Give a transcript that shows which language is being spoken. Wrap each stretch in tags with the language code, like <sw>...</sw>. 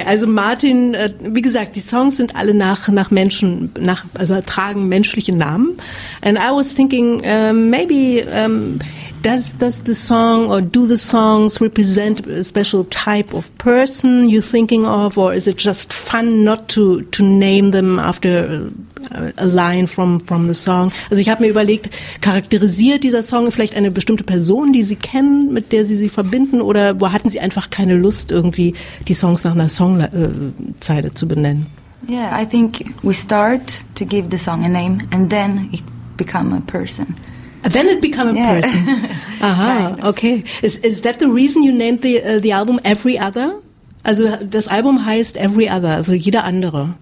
<de>Also Martin, wie gesagt, die Songs sind alle nach Menschen, also tragen menschliche Namen.</de> <en>And I was thinking, does the song or do the songs represent a special type of person you're thinking of, or is it just fun not to name them after a line from the song?</en> <de>Also ich habe mir überlegt, charakterisiert dieser Song vielleicht eine bestimmte Person, die Sie kennen, mit der Sie sich verbinden, oder wo hatten Sie einfach keine Lust, irgendwie die Songs nach einer Songzeile zu benennen?</de> <en>Yeah, I think we start to give the song a name and then it become a person. Then it become a yeah. person. Aha, kind of. Okay. Is that the reason you named the album Every Other?</en> <de>Also das Album heißt Every Other, also jeder andere.</de>